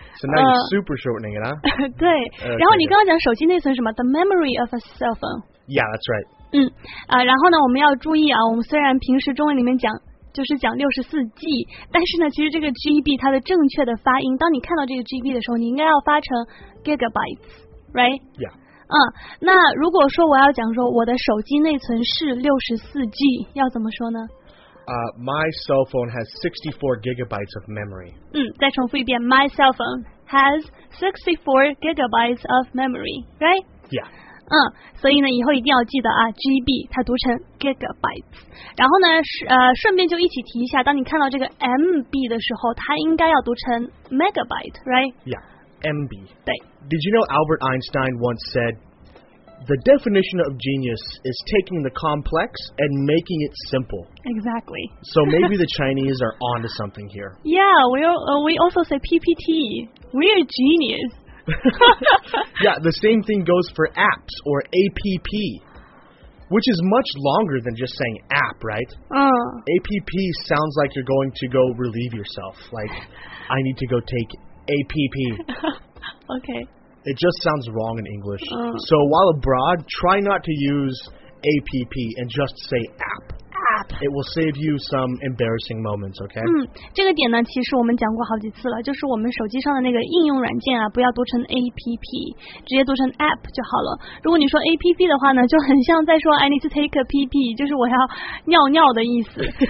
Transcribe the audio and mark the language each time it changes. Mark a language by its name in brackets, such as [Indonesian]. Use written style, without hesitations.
[English] So now you're super shortening it, huh? [Chinese] 对。Okay. 然后你刚刚讲手机内存什么 ？ [English] The memory of a cell phone. Yeah, that's right. [Chinese] 然后呢，我们要注意啊，我们虽然平时中文里面讲就是讲六十四 G， 但是呢，其实这个 GB 它的正确的发音，当你看到这个 GB 的时候，你应该要发成 gigabytes, right? [English] Yeah. [Chinese] 那如果说我要讲说我的手机内存是六十四 G， 要怎么说呢？ [English] My cell phone has 64 gigabytes of memory. [Chinese] 再重复一遍 [English] My cell phone has 64 gigabytes of memory, right? Yeah. [Chinese] 所以呢以后一定要记得啊 GB 它读成 gigabytes. 然后呢顺便就一起提一下当你看到这个 MB 的时候它应该要读成 megabyte, right? [English] Yeah, MB. [Chinese] 对。 [English] Did you know Albert Einstein once said, The definition of genius is taking the complex and making it simple. Exactly. So maybe the Chinese are onto something here. Yeah, we also say PPT. We are genius. Yeah, the same thing goes for apps or APP, which is much longer than just saying app, right? APP sounds like you're going to go relieve yourself. Like, I need to go take APP. Okay. It just sounds wrong in English. So while abroad, try not to use APP and just say app. App. It will save you some embarrassing moments, okay? [Chinese] 这个点呢，其实我们讲过好几次了，就是我们手机上的那个应用软件啊，不要读成 APP， 直接读成 app 就好了。如果你说 APP 的话呢，就很像在说 [English] I need to take a PP， [Chinese] 就是我要尿尿的意思。